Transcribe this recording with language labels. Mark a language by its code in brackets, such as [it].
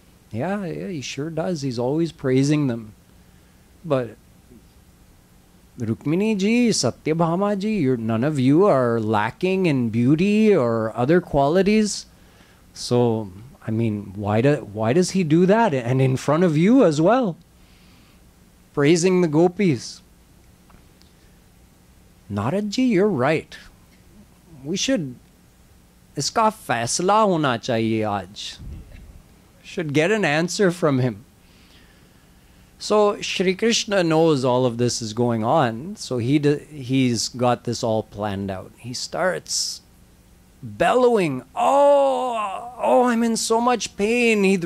[en] Yeah, he sure does. He's always praising them. But Rukmini ji, Satyabhama ji, none of you are lacking in beauty or other qualities. So, I mean, why does he do that? And in front of you as well, praising the gopis. Narad ji, you're right. We should, [hi] इसका फ़ैसला होना चाहिए आज। [en] Should get an answer from him. So Shri Krishna knows all of this is going on, so he's got this all planned out. He starts bellowing, oh, I'm in so much pain.